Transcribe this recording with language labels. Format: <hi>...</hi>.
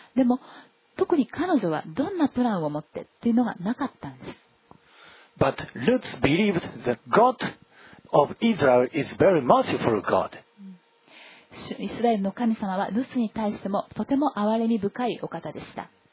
<ja>でも特に彼女はどんなプランを持ってっていうのがなかったんです。</ja> <en>But Ruth believed the God of Israel is very merciful God.</en> <ja>イスラエルの神様はルツに対してもとても憐れみ深いお方でした。</ja>